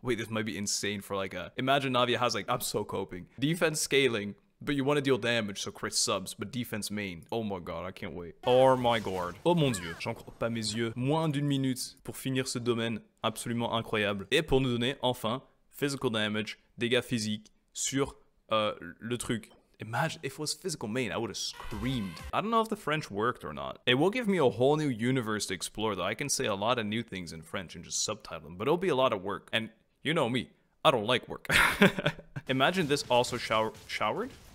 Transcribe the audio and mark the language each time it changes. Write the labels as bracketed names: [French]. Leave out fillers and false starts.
[English] Wait, this might be insane for like a... Imagine Navia has like, I'm so coping. Defense scaling, but you want to deal damage, so crit subs, but defense main. Oh my god, I can't wait. Oh my god. [French] Oh mon dieu. J'en crois pas mes yeux. Moins d'une minute pour finir ce domaine absolument incroyable. Et pour nous donner, enfin, [English] physical damage, [French] dégâts physiques sur... le truc. [English] Imagine if it was physical main, I would have screamed. I don't know if the French worked or not. It will give me a whole new universe to explore, though. I can say a lot of new things in French and just subtitle them, but it'll be a lot of work. And you know me, I don't like work. Imagine this also showered?